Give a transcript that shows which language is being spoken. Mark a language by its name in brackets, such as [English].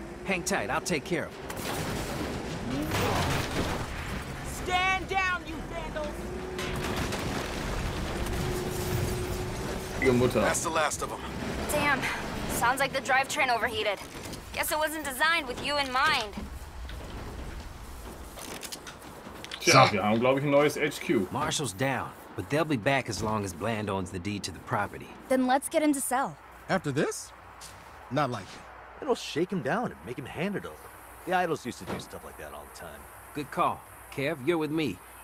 [English] Hang tight, I'll take care of it. Stand down, you vandals! Your mother. That's the last of them. Damn, sounds like the drivetrain overheated. Guess it wasn't designed with you in mind. [German] Tja, wir haben, glaube ich, ein neues HQ. [English] Marshall's down, but they'll be back as long as Bland owns the deed to the property. Then let's get him to sell. After this? Not like it. It'll shake him down and make him hand it over. The idols used to do stuff like that all the time. Good call. Kev, you're with me.